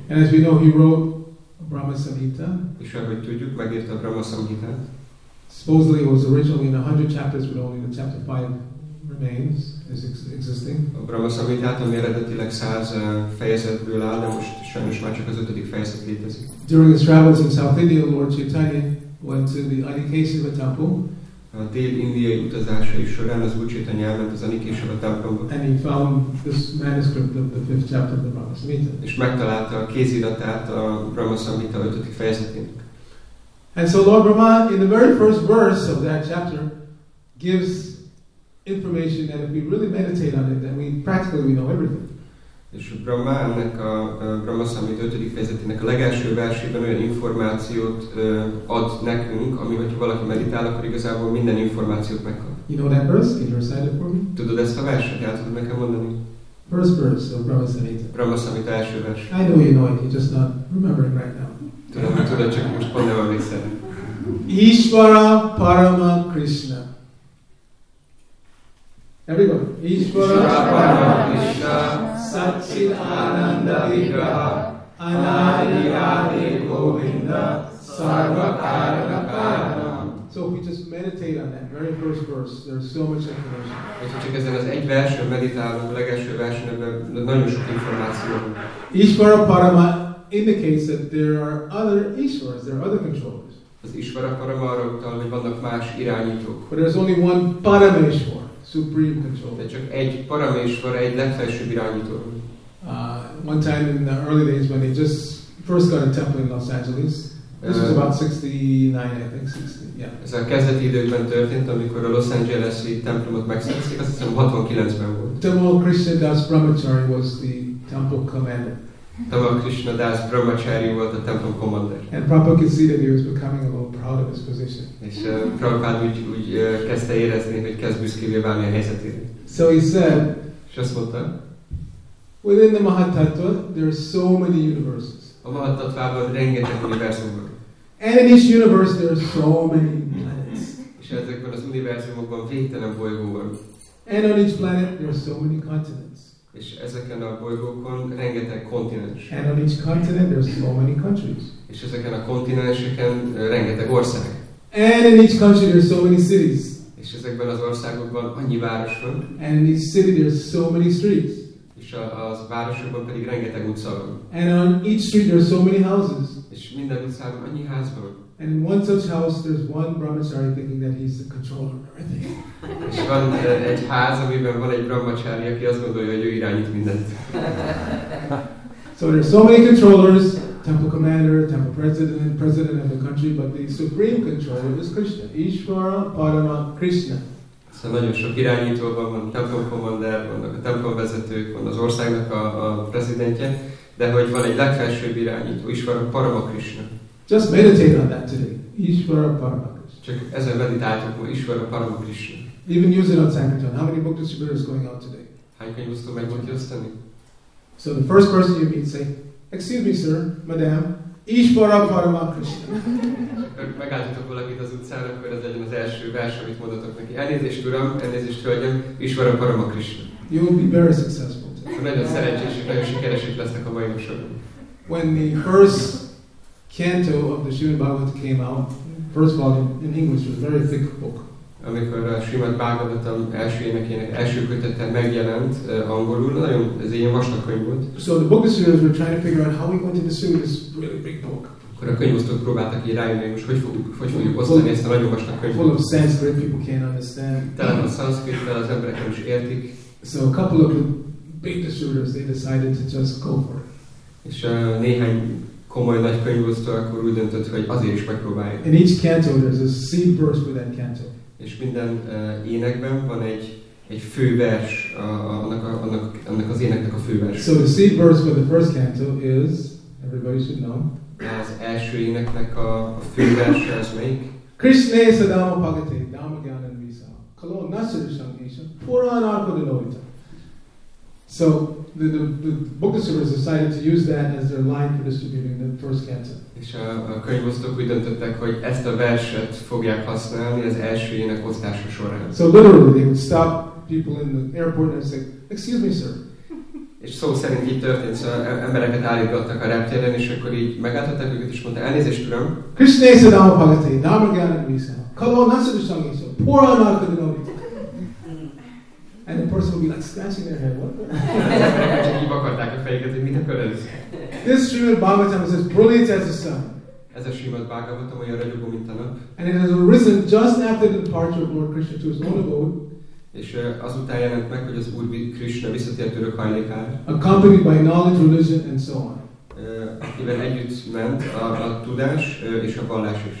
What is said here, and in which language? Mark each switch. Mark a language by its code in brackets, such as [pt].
[en] And as we know, he wrote Brahma Samhita. [hu] És ahogy tudjuk, megírta a Brahma Samhitát. [en] Supposedly it was originally in 100 chapters, but only the chapter 5 remains, is existing. [hu] A Brahma Samhitát, ami eredetileg 100 fejezetből áll, de most sajnos már csak az 5. fejezet létezik. [en] During his travels in South India, Lord Chaitanya went to the Anikeshava temple. [hu] A dél-indiai utazásai során az Úr Chaitanya elment az Anikeshava templomba. [en] And he found this manuscript of the 5th chapter of the Brahma Samhita. [hu] És megtalálta a kéziratát a Brahma Samhita 5. fejezetének. [en] And so Lord Brahma, in the very first verse of that chapter, gives information that if we really meditate on it, then we practically we know everything. [hu] És Brahma ennek a Brahma Samhita 5. fejezetének a legelső versében olyan információt ad nekünk, ami, hogyha valaki meditál, akkor igazából minden információt megkap. [en] You know that verse? Can you recite it for me? [hu] Tudod ezt a verset? El tudod nekem mondani? [en] First verse of Brahma Samhita. [hu] Brahma Samhita első vers. [en] I know you know it, you're just not remembering right now. [hu] Tudod, csak most pont nem emlékszem. [sa] Ishvara Parama Krishna. [en] Everybody. [sa] Ishvara Paramakrishna Satchit Ananda Vigraha Anadi Adi Govinda Sarva Karana Karana. [en] So if we just meditate on that very first verse, there's so much information. [hu] És csak ezen az egy versen meditálunk, legelső versen, ebben nagyon sok információ. [en] Ishvara Parama indicates that there are other Ishvaras, there are other controllers. [hu] Az Ishvara Parama arra utal, hogy vannak más irányítók. [en] But there's only one Parameshwar, supreme controller. [hu] De csak egy Parameshwara, egy legfelsőbb irányító. [en] One time in the early days when they just first got a temple in Los Angeles, this was about 69, I think, 60, yeah. [hu] Ez a kezdeti időkben történt, amikor a Los Angeles-i templomot megszerezték, azt hiszem 69-ben volt. [en] Tamal Krishna Das Brahmachari was the temple commander. [hu] Tamal Krishna Das Brahmachari volt a templom commander. [en] And Prabhupada could see that he was becoming a little proud of his position. [hu] És Prabhupada úgy kezdte érezni, hogy kezd büszkévé válni a helyzetére. [en] So he said, [hu] és azt mondta, [en] within the Mahatattva, there are so many universes. [hu] A Mahatattvában rengeteg univerzum van. [en] And in each universe there are so many planets. [hu] És ezekben az univerzumokban végtelen bolygó van. [en] And on each planet there are so many continents. [hu] És ezeken a bolygókon rengeteg kontinens. [en] And on each continent there are so many countries. [hu] És ezeken a kontinenseken rengeteg ország. [en] And in each country there are so many cities. [hu] És ezekben az országokban annyi város van. [en] And in each city there are so many streets. [hu] És az városokban pedig rengeteg utca van. [en] And on each street there are so many houses. [hu] És minden utcában annyi ház van. [en] And in one such house there's one brahmachari thinking that he's the controller of everything. [hu] És van egy ház, amiben van egy brahmachari, aki azt gondolja, hogy ő irányít mindent. [en] So there are so many controllers, temple commander, temple president, president of the country, but the supreme controller is Krishna. [sa] Ishvara Parama Krishna. [hu] Szóval nagyon sok irányítóban van, templom commander, vannak a templom vezetők, van az országnak a prezidentje, de hogy van egy legfelsőbb irányító, [sa] Ishvara Paramakrishna. [en] Just meditate on that today. [sa] Ishvara Paramakrishna. [hu] Csak ezen meditáltuk ma, [sa] Ishvara Paramakrishna. [en] Even use it on Sankirtan. How many book distributors going out today? [hu] Hány könyv osztó meg volt jösszteni? [en] So the first person you meet say, excuse me sir, madam, [sa] Ishvara Paramakrishna. [hu] Megálltatok valakit az utcán, akkor ez legyen az első vers, amit mondatok neki. Elnézést, Uram, elnézést, Hölgyem, [sa] Ishvara Paramakrishna. [en] You will be very successful. [hu] Nagyon szerencsés, és nagyon sikeresek lesznek a mai napon. [en] When the first canto of the Srimad Bhagavata came out, first volume in English was a very thick book. [hu] Amikor a Srimad Bhagavatam első énekének első kötete megjelent angolul, nagyon ez ilyen vastag könyv volt. [en] So the book distributors were trying to figure out how we going to distribute this really big book. [hu] Akkor a könyvosztók próbáltak így rájönni, hogy most hogy fogjuk osztani ezt a nagyon vastag könyvet. [en] Full of Sanskrit, people can't understand. [hu] Talán a Sanskrit-tel az emberek nem is értik. [en] So a couple of big distributors, they decided to just go for it. [hu] És néhány komoly nagy könyvosztó akkor úgy döntött, hogy azért is megpróbáljuk. [en] In each canto, there's a seed verse with that canto. [hu] És minden énekben van egy fő vers, annak az éneknek a fő vers. [en] So the seed verse for the first canto is, everybody should know, [hu] az első éneknek a fő verse az melyik? [sa] Krishna sadama pagate dama gyanan visa kalo nasira shangisha puran arpada loita. [en] So the book distributors decided to use that as their line for distributing the first canto. [hu] És a könyvosztók úgy döntöttek, hogy ezt a verset fogják használni az első ének osztása során. [en] So literally they would stop people in the airport and say, excuse me sir. [hu] És szó szerint így történt, szóval embereket állítottak a reptéren, és akkor így megálltották őket, és mondta, elnézést, Uram! [sa] Krishna esa dama pagate, dama gyanan visa, kalo nasira shangisha, puran arpada loita. [en] And the person would be like scratching their head, what? [hu] Csak így vakarták a fejüket, hogy mit akar ez? [en] This Srimad Bhagavatam is as brilliant as the sun. [hu] Ez a Srimad Bhagavatam olyan ragyogó, mint a nap. [en] And it has arisen just after the departure of Lord Krishna to his own abode. [hu] És azután jelent meg, hogy az Úr Krishna visszatért örök hajlékára. [en] Accompanied by knowledge, religion and so on. [hu] Akivel együtt ment a tudás és a vallás is.